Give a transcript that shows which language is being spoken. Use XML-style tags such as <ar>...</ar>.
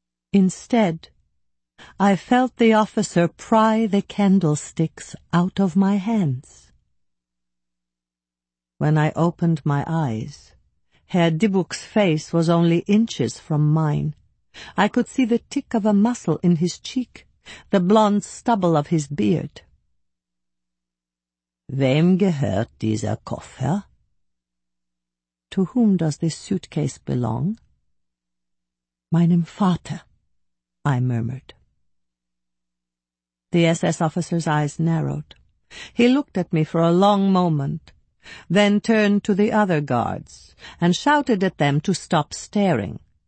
<en>Instead, I felt the officer pry the candlesticks out of my hands. When I opened my eyes, Herr Dibuk's face was only inches from mine. I could see the tick of a muscle in his cheek, the blonde stubble of his beard.</en> <de>"Wem gehört dieser Koffer?"</de> <en>"To whom does this suitcase belong?"</en> <de>"Meinem Vater,"</de> <en>I murmured. The SS officer's eyes narrowed. He looked at me for a long moment, then turned to the other guards and shouted at them to stop staring.</en>